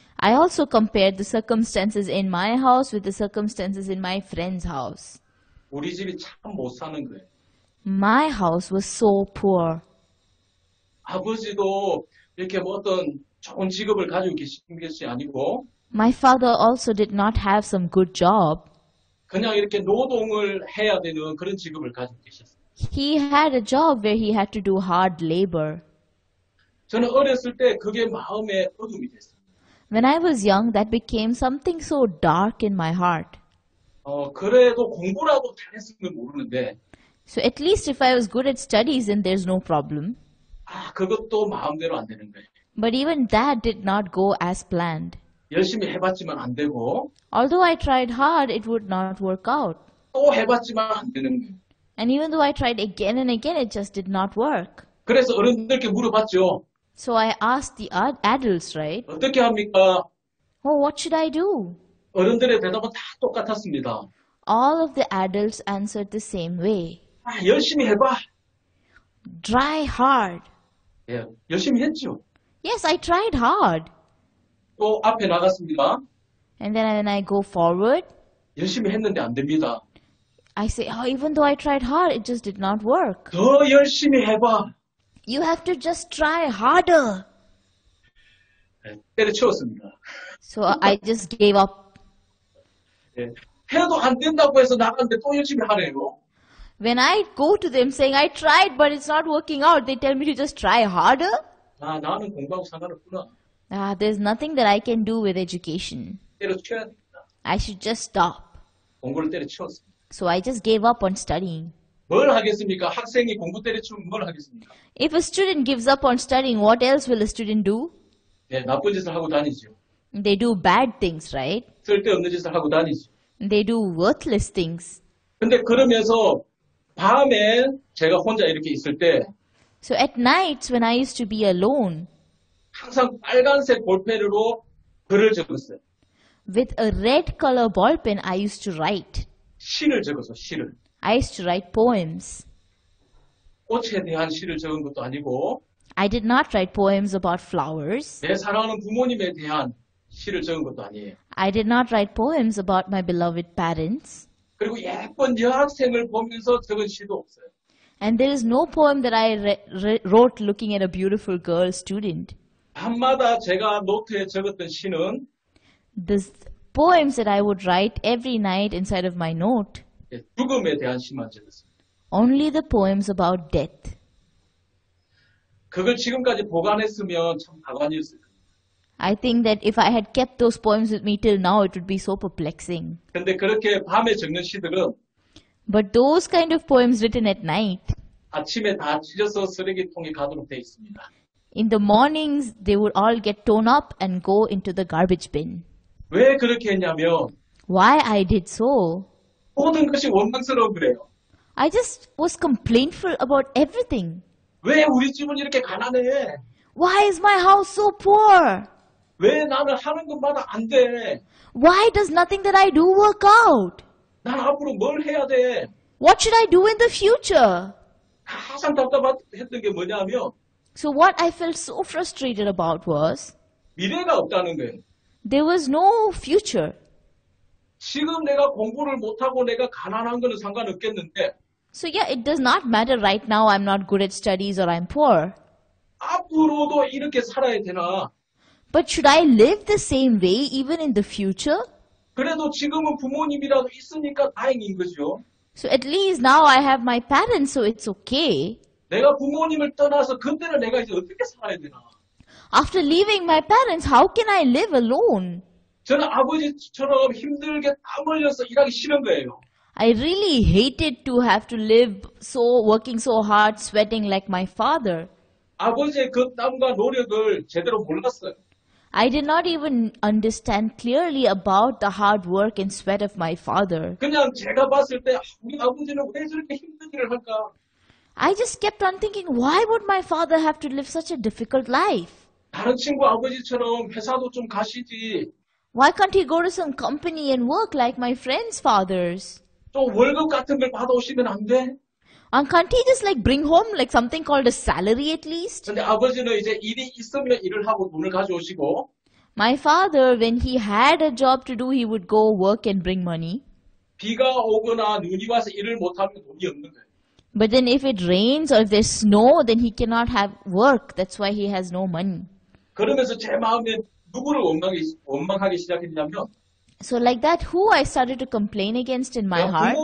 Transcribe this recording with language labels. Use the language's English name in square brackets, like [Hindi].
[English] I also compared the circumstances in my house with the circumstances in my friend's house. [Korean] 우리 집이 참 못 사는 거예요. [English] My house was so poor. [Korean] 아버지도 이렇게 뭐 어떤 좋은 직업을 가지고 계신 것이 아니고 [English] My father also did not have some good job. [Korean] 그냥 이렇게 노동을 해야 되는 그런 직업을 가지고 계셨어요. [English] He had a job where he had to do hard labor. [Korean] 저는 어렸을 때 그게 마음에 어둠이 됐어요. [English] When I was young, that became something so dark in my heart. [Korean] 그래도 공부라도 잘했으면 모르는데 [English] So at least if I was good at studies, then there's no problem. [Korean] 아, 그것도 마음대로 안 되는 거예요. [English] But even that did not go as planned. [Korean] 열심히 해봤지만 안 되고. [English] Although I tried hard, it would not work out. [Korean] 또 해봤지만 안 되는 거예요. [English] And even though I tried again and again, it just did not work. [Korean] 그래서 어른들께 물어봤죠. [English] So I asked the adults, right? [Korean] 어떻게 합니까? [English] Oh, what should I do? [Korean] 어른들의 대답은 다 똑같았습니다. [English] All of the adults answered the same way. [Korean] 아, 열심히 해봐. [English] Try hard. [Korean] 예, 열심히 했죠. [English] Yes, I tried hard. [Korean] 또 앞에 나갔습니다. [English] And then when I go forward. [Korean] 열심히 했는데 안 됩니다. [English] I say, oh, even though I tried hard, it just did not work. [Korean] 더 열심히 해봐. [English] You have to just try harder. [Korean] 예, 때려치웠습니다. [English] So I just gave up. [Korean] 예. 해도 안 된다고 해서 나갔는데 또 열심히 하네요. [English] When I go to them saying I tried but it's not working out, they tell me to just try harder. [Korean] 아, 나는 공부하고 상관없구나. [English] Ah, there's nothing that I can do with education. [Korean] 때려치워야겠다. [English] I should just stop. [Korean] 공부를 때려치웠습니다. [English] So I just gave up on studying. [Korean] 뭘 하겠습니까? 학생이 공부 때려치우면 뭘 하겠습니까? [English] If a student gives up on studying, what else will a student do? [Korean] 네, 나쁜 짓을 하고 다니죠. [English] They do bad things, right? [Korean] 쓸데없는 짓을 하고 다니죠. [English] They do worthless things. [Korean] 근데 그러면서 밤에 제가 혼자 이렇게 있을 때 [English] So at nights when I used to be alone [Korean] 항상 빨간색 볼펜으로 글을 적었어요. [English] With a red color ball pen I used to write. [Korean] 시를 적어서 시를. [English] I used to write poems. [Korean] 꽃에 대한 시를 적은 것도 아니고 [English] I did not write poems about flowers. [Korean] 내 사랑하는 부모님에 대한 시를 적은 것도 아니에요. [English] I did not write poems about my beloved parents. [Korean] 그리고 예쁜 여학생을 보면서 적은 시도 없어요. [English] And there is no poem that I wrote looking at a beautiful girl student. [Korean] 밤마다 제가 노트에 적었던 시는 [English] The poems that I would write every night inside of my note. [Korean] 예, 죽음에 대한 시만 적었습니다. [English] Only the poems about death. [Korean] 그걸 지금까지 보관했으면 참 다관이었을 거예요. [English] I think that if I had kept those poems with me till now, it would be so perplexing. [Korean] 근데 그렇게 밤에 적는 시들은 [English] But those kind of poems written at night [Korean] 아침에 다 찢어서 쓰레기통에 가도록 돼 있습니다. [English] In the mornings, they would all get torn up and go into the garbage bin. [Korean] 왜 그렇게 했냐면 [English] Why I did so? [Korean] 모든 것이 원망스러워 그래요. [English] I just was complainful about everything. [Korean] 왜 우리 집은 이렇게 가난해? [English] Why is my house so poor? [Korean] 왜 나는 하는 것마다 안 돼? [English] Why does nothing that I do work out? [Korean] 난 앞으로 뭘 해야 돼? [English] What should I do in the future? [Korean] 가장 답답했던 게 뭐냐면 [English] So what I felt so frustrated about was [Korean] 미래가 없다는 거예요. [English] There was no future. [Korean] 지금 내가 공부를 못하고 내가 가난한 거는 상관없겠는데 [English] So yeah, it does not matter right now I'm not good at studies or I'm poor. [Korean] 앞으로도 이렇게 살아야 되나? [English] But should I live the same way even in the future? [Korean] 그래도 지금은 부모님이라도 있으니까 다행인 거죠. [English] So at least now I have my parents, so it's okay. [Korean] 내가 부모님을 떠나서 그때는 내가 이제 어떻게 살아야 되나? [English] After leaving my parents, how can I live alone? [Korean] 저는 아버지처럼 힘들게 땀 흘려서 일하기 싫은 거예요. [English] I really hated to have to live so working so hard, sweating like my father. [Korean] 아버지의 그 땀과 노력을 제대로 몰랐어요. [English] I did not even understand clearly about the hard work and sweat of my father. [Korean] 그냥 제가 봤을 때 우리 아버지는 왜 저렇게 힘든 일을 할까? [English] I just kept on thinking, why would my father have to live such a difficult life? [Korean] 다른 친구 아버지처럼 회사도 좀 가시지. [English] Why can't he go to some company and work like my friends' fathers? [Korean] 또 월급 같은 걸 받아오시면 안 돼? [English] And can't he just like bring home like something called a salary at least? [Korean] 근데 아버지는 이제 일이 있으면 일을 하고 돈을 가져오시고. [English] My father, when he had a job to do, he would go work and bring money. [Korean] 비가 오거나 눈이 와서 일을 못하면 돈이 없는 거예요. [English] But then if it rains or if there's snow, then he cannot have work. That's why he has no money. [Korean] 그러면서 제 마음에 누구를 원망하기 시작했냐면 So like that, who I started to complain against in my heart?